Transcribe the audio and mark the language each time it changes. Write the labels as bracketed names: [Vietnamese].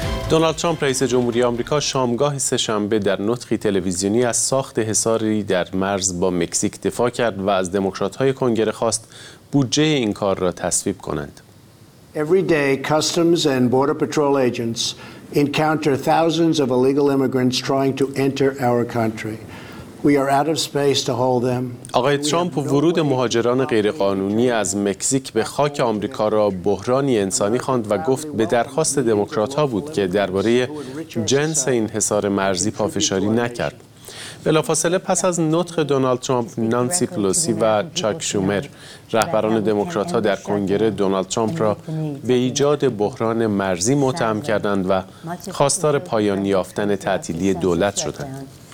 [Persian] دونالد ترامپ رئیس جمهوری آمریکا شامگاه سه‌شنبه در نطقی تلویزیونی از ساخت حصاری در مرز با مکزیک دفاع کرد و از دموکرات‌های کنگره خواست بودجه این کار را تصویب کنند. [English] Every day customs and border patrol agents encounter thousands of illegal immigrants trying to enter our country. We are out of space to hold them. [Persian] آقای ترامپ ورود مهاجران غیرقانونی از مکزیک به خاک آمریکا را بحرانی انسانی خواند و گفت به درخواست دموکرات‌ها بود که درباره جنس این حصار مرزی پافشاری نکرد. بلافاصله پس از نطق دونالد ترامپ، نانسی پلوسی و چاک شومر رهبران دموکرات‌ها در کنگره دونالد ترامپ را به ایجاد بحران مرزی متهم کردند و خواستار پایان یافتن تعطیلی دولت شدند.